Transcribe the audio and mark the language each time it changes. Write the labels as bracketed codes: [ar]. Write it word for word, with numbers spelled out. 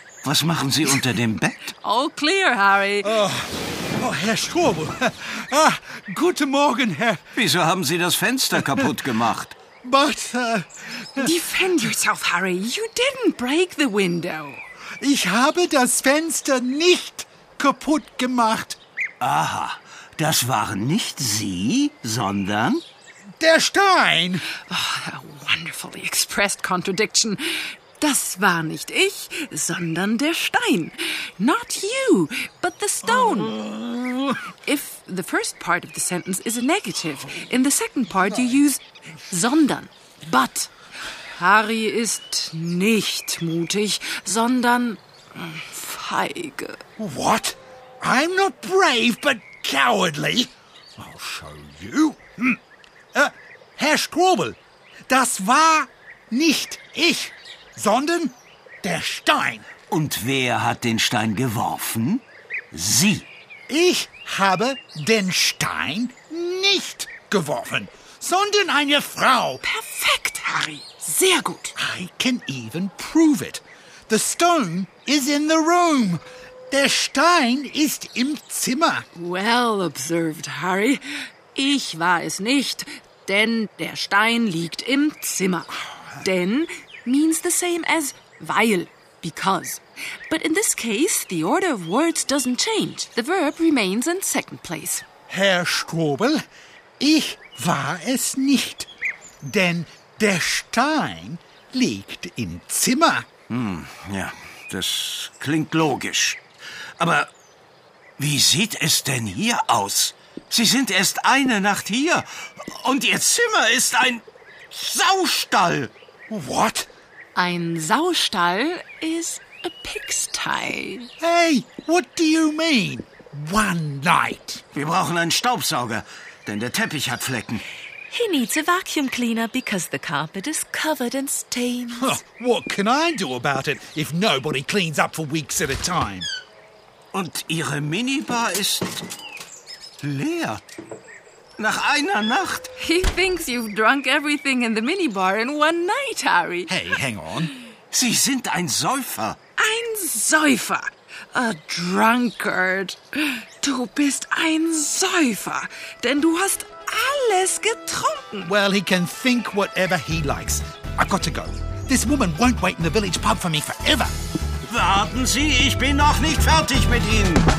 [de] Was machen Sie unter dem Bett? [en] All clear, Harry. [de] Oh. Oh, Herr Strobel. Ah, guten Morgen, Herr... Wieso haben Sie das Fenster kaputt gemacht? [en] But, uh, Defend yourself, Harry. You didn't break the window. [de] Ich habe das Fenster nicht kaputt gemacht. Aha, das waren nicht Sie, sondern... Der Stein. [en] Oh, a wonderfully expressed contradiction. [de] Das war nicht ich, sondern der Stein. [en] Not you, but the stone. If the first part of the sentence is a negative, in the second part you use sondern, but. [de] Harry ist nicht mutig, sondern feige. [en] What? I'm not brave, but cowardly. I'll show you. Hm. [de] Äh, Herr Strobel, das war nicht ich, sondern der Stein. Und wer hat den Stein geworfen? Sie. Ich habe den Stein nicht geworfen, sondern eine Frau. Perfekt, Harry. Sehr gut. [en] I can even prove it. The stone is in the room. [de] Der Stein ist im Zimmer. [en] Well observed, Harry. [de] Ich war es nicht, denn der Stein liegt im Zimmer. Denn... [en] means the same as weil, because. But in this case, the order of words doesn't change. The verb remains in second place. [de] Herr Strobel, ich war es nicht, denn der Stein liegt im Zimmer. Hm, ja, das klingt logisch. Aber wie sieht es denn hier aus? Sie sind erst eine Nacht hier und Ihr Zimmer ist ein Saustall. [en] What? [de] Ein Saustall [en] is a pigsty. Hey, what do you mean? One night. [de] Wir brauchen einen Staubsauger, denn der Teppich hat Flecken. [en] He needs a vacuum cleaner because the carpet is covered in stains. Huh, what can I do about it if nobody cleans up for weeks at a time? [de] Und Ihre Minibar ist leer. Nach einer Nacht. [en] He thinks you've drunk everything in the minibar in one night, Harry. Hey, hang on. [de] Sie sind ein Säufer. Ein Säufer. [en] A drunkard. [de] Du bist ein Säufer, denn du hast alles getrunken. [en] Well, he can think whatever he likes. I've got to go. This woman won't wait in the village pub for me forever. [de] Warten Sie, ich bin noch nicht fertig mit Ihnen.